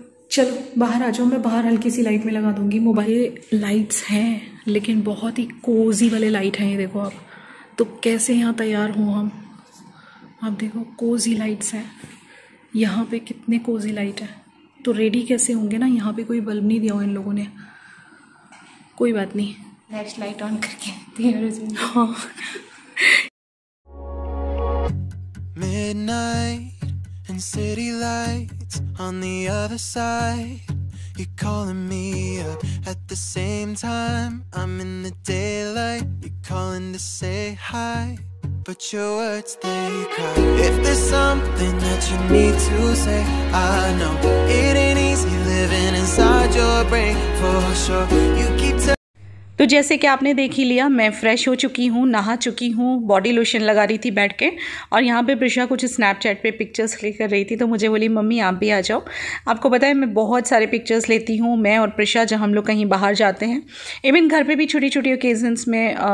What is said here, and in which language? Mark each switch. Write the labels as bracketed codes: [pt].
[hi] चलो बाहर आ जाओ, मैं बाहर हल्की सी लाइट में लगा दूंगी। मोबाइल लाइट्स हैं लेकिन बहुत ही कोजी वाले लाइट हैं ये देखो आप। तो कैसे यहाँ तैयार हों हम, आप देखो कोजी लाइट्स हैं यहाँ पे, कितने कोजी लाइट हैं। तो रेडी कैसे होंगे ना, यहाँ पे कोई बल्ब नहीं दिया हुआ इन लोगों ने। कोई बात नहीं, फ्लैश लाइट ऑन करके तैयार हो जाएंगे। [en] हाँ Midnight and city lights on the other side, you're calling me up at the same time, I'm in the daylight, you're calling to say hi, but your words they cry. If there's something that you need to say, I know it ain't easy living inside your brain for sure. You keep telling. [hi] तो जैसे कि आपने देख ही लिया, मैं fresh हो चुकी हूँ, नहा चुकी हूँ, बॉडी लोशन लगा रही थी बैठ के, और यहाँ पे प्रिशा कुछ स्नैपचैट पे पिक्चर्स क्लिक कर रही थी। तो मुझे बोली मम्मी आप भी आ जाओ। आपको पता है मैं बहुत सारे पिक्चर्स लेती हूँ, मैं और प्रिशा, जब हम लोग कहीं बाहर जाते हैं, इवन घर पर भी छोटी छोटी ओकेजन्स में।